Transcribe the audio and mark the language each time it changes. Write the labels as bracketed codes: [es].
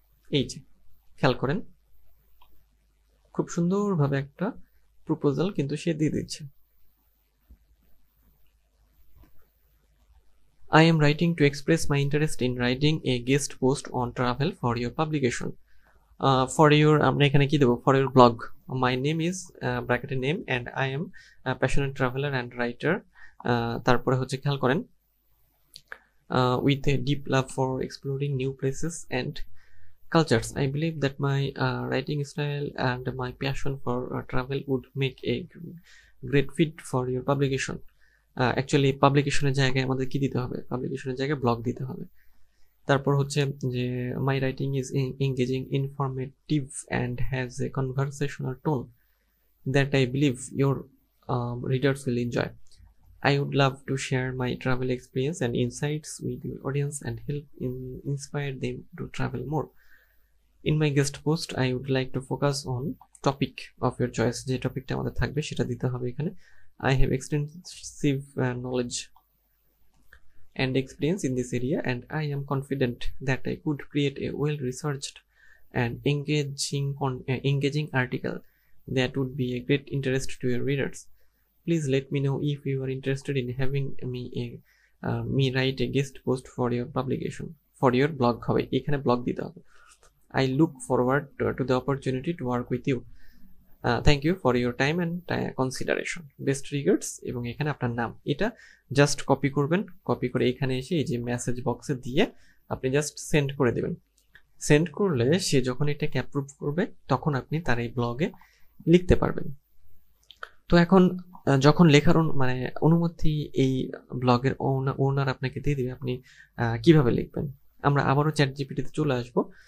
[bn] এই যে খেয়াল করেন, খুব সুন্দরভাবে একটা প্রপোজাল কিন্তু সে দিয়ে দিচ্ছে। [en] I am writing to express my interest in writing a guest post on travel for your publication. For your, for your blog. My name is bracketed name, and I am a passionate traveler and writer. [bn] তারপরে হচ্ছে খেয়াল করেন, [en] With a deep love for exploring new places and cultures, I believe that my writing style and my passion for travel would make a great fit for your publication. [bn] Actually পাবলিকেশনের জায়গায় আমাদের কী দিতে হবে, পাবলিকেশনের জায়গায় blog দিতে হবে। তারপর হচ্ছে যে [en] My writing is engaging, informative and has a conversational tone that I believe your readers will enjoy. I would love to share my travel experience and insights with your audience and help inspire them to travel more. In my guest post, I would like to focus on topic of your choice. [bn] Je topic ta amader thakbe seta dite hobe ekhane. [en] I have extensive knowledge and experience in this area, and I am confident that I could create a well-researched and engaging engaging article that would be a great interest to your readers. Please let me know if you are interested in having me me write a guest post for your publication, for your blog. [bn] হবে এখানে blog দিতে হবে। [en] I look forward to the opportunity to work with you. Thank you for your time and consideration. Best regards, [bn] এবং এখানে আপনার নাম, এটা just copy করবেন। কপি করে এখানে এসে এই যে মেসেজ বক্সে দিয়ে আপনি জাস্ট সেন্ড করে দেবেন। সেন্ড করলে সে যখন এটাকে অ্যাপ্রুভ করবে তখন আপনি তার এই ব্লগে লিখতে পারবেন। তো এখন যখন লেখার মানে অনুমতি এই ব্লগের ওনার আপনাকে দিয়ে দেবে, আপনি কিভাবে লিখবেন, আমরা আবারও চ্যাট জিপিটিতে চলে আসবো।